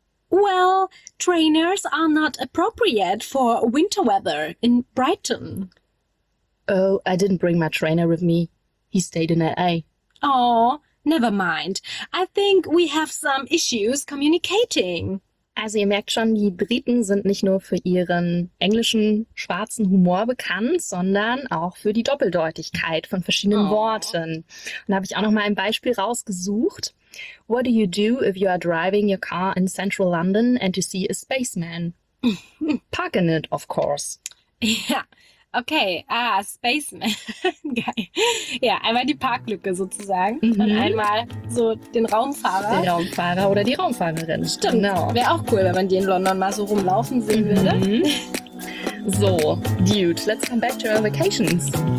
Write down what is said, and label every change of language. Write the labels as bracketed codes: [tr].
[en] Well, trainers are not appropriate for winter weather in Brighton. Oh, I didn't bring my trainer with me. He stayed in LA. Oh, never mind. I think we have some issues communicating. [de] Also ihr merkt schon, die Briten sind nicht nur für ihren englischen schwarzen Humor bekannt, sondern auch für die Doppeldeutigkeit von verschiedenen Oh. Worten. Und da habe ich auch noch mal ein Beispiel rausgesucht. [en] What do you do if you are driving your car in central London and you see a spaceman? Park in it, of course. [de] Ja, okay. Ah, Spaceman. Geil. Ja, einmal die Parklücke sozusagen und einmal so den Der Raumfahrer. Raumfahrer oder die Raumfahrerin, Stimmt. genau. Wäre auch cool, wenn man die in London mal so rumlaufen sehen würde. [en] So, dude, let's come back to our vacations.